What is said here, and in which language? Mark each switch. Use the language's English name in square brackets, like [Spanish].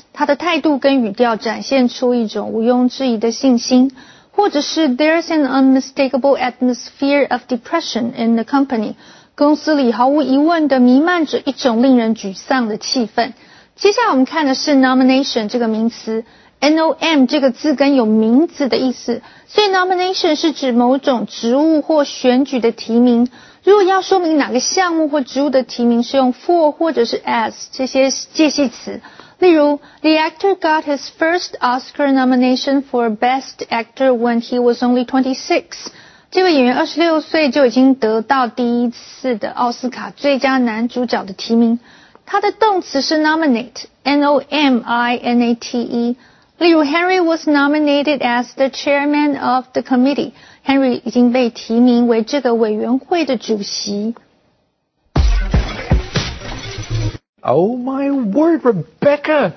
[Chinese] 他的态度跟语调展现出一种毋庸置疑的信心。 [English] 或者是 there's an unmistakable atmosphere of depression in the company. [Chinese] 公司里毫无疑问地弥漫着一种令人沮丧的气氛。接下来我们看的是 nomination 这个名词。NOM 这个字根有名字的意思。所以 nomination 是指某种职务或选举的提名。如果要说明哪个项目或职务的提名是用 for 或者是 as 这些介系词。 [English] 例如 ,the actor got his first Oscar nomination for Best Actor when he was only 26. [Chinese] 这位演员26岁就已经得到第一次的奥斯卡最佳男主角的提名。他的动词是 nominate, N-O-M-I-N-A-T-E。 [English] 例如 ,Henry was nominated as the chairman of the committee. [Chinese] Henry 已经被提名为这个委员会的主席。 [English] Oh my word, Rebecca!